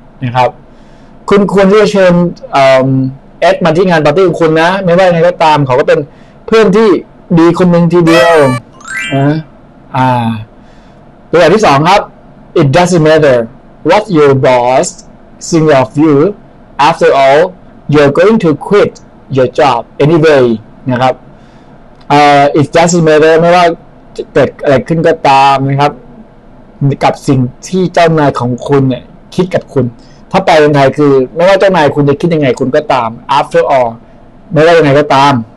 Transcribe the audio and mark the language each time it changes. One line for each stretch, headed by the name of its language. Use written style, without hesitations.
Thai: นะครับคุณควรที่จะเชิญเอ็ดมาที่งานปาร์ตี้ของคุณนะไม่ว่าไงก็ตามเขาก็เป็นเพื่อนที่ดีคนหนึ่งทีเดียวนะตัวอย่างที่สองครับ
English: It doesn't matter what your boss thinks of you. After all, you're going to quit your job anyway.
Thai: นะครับ
English: It doesn't matter
Thai: ไม่ว่าเกิดอะไรขึ้นก็ตามนะครับกับสิ่งที่เจ้านายของคุณเนี่ยคิดกับคุณถ้าแปลเป็นไทยคือไม่ว่าเจ้านายคุณจะคิดยังไงคุณก็ตาม
English: after all
Thai: ไม่ว่ายังไงก็ตาม